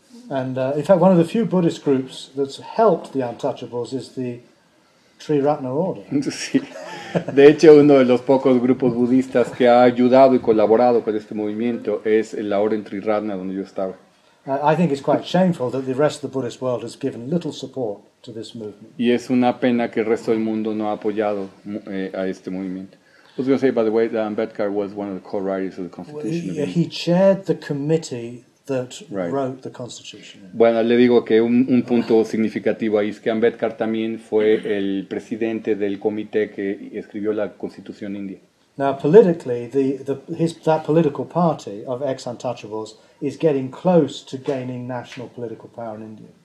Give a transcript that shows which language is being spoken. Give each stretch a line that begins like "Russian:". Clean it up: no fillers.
English: And in fact, one of the few Buddhist groups that's helped the untouchables is the Tri Ratna Order.
Spanish: Sí. De hecho, uno de los pocos grupos budistas que ha ayudado y colaborado con este movimiento es la Orden Tri Ratna, donde yo estaba.
English: I think it's quite shameful that the rest of the Buddhist world has given little support to this movement.
Spanish: Y es una pena que el resto del mundo no ha apoyado a este movimiento.
English: I was going to say, by the way, that Ambedkar was one of the co-writers of the Constitution. Well, he chaired the committee that right. wrote the Constitution.
Spanish: Bueno, le digo que un punto significativo ahí es que Ambedkar también fue el presidente del comité que escribió la Constitución India.
English: Now, politically, that political party of ex-untouchables is getting close to gaining national political power in India.